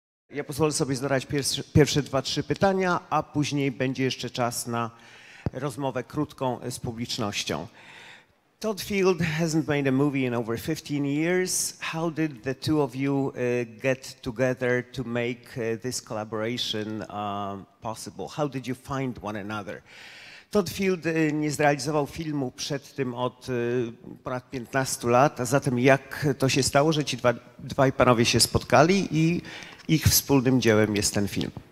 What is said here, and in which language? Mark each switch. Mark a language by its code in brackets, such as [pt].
[pl] Ja pozwolę sobie zadać pierwsze dwa, trzy pytania, a później będzie jeszcze czas na rozmowę krótką z publicznością. [en] Todd Field hasn't made a movie in over 15 years. How did the two of you get together to make this collaboration possible? How did you find one another? [pl] Todd Field nie zrealizował filmu przed tym od ponad 15 lat, a zatem jak to się stało, że ci dwaj panowie się spotkali i ich wspólnym dziełem jest ten film?